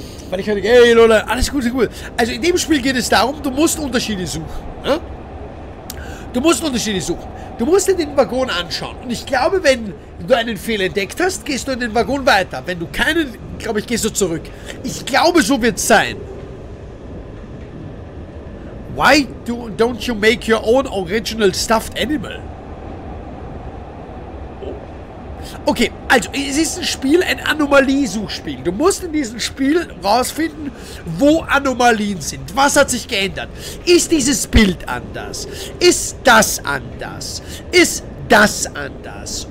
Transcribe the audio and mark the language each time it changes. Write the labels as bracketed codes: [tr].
[de] Weil ich hatte, hey Lola, alles gut, cool. Also in dem Spiel geht es darum, du musst Unterschiede suchen. Ne? Du musst Unterschiede suchen. Du musst dir den Waggon anschauen. Und ich glaube, wenn du einen Fehler entdeckt hast, gehst du in den Waggon weiter. Wenn du keinen, glaube ich, gehst du zurück. Ich glaube, so wird es sein. [en] Why don't you make your own original stuffed animal? [de] Okay, also es ist ein Spiel, ein Anomaliesuchspiel. Du musst in diesem Spiel rausfinden, wo Anomalien sind. Was hat sich geändert? Ist dieses Bild anders? Ist das anders? Ist das anders?